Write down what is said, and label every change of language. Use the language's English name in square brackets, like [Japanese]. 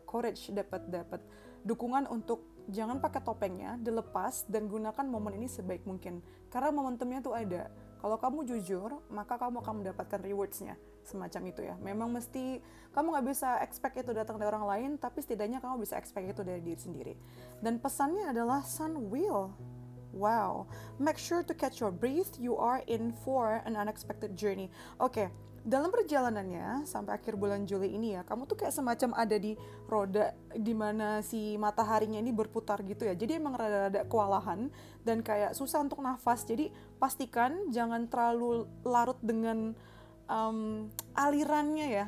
[Indonesian] Courage, dapat dukungan untuk jangan pakai topengnya, dilepas dan gunakan momen ini sebaik mungkin. Karena momentumnya tuh ada. Kalau kamu jujur, maka kamu akan mendapatkan rewards-nya, semacam itu ya. Memang mesti, kamu nggak bisa expect itu datang dari orang lain, tapi setidaknya kamu bisa expect itu dari diri sendiri. Dan pesannya adalah sun wheel. [English] Wow, make sure to catch your breath, you are in for an unexpected journey. [Indonesian] Oke, dalam perjalanannya sampai akhir bulan Juli ini ya, kamu tuh kayak semacam ada di roda di mana si mataharinya ini berputar gitu ya. Jadi emang rada-rada kewalahan dan kayak susah untuk nafas. Jadi pastikan jangan terlalu larut dengan alirannya ya.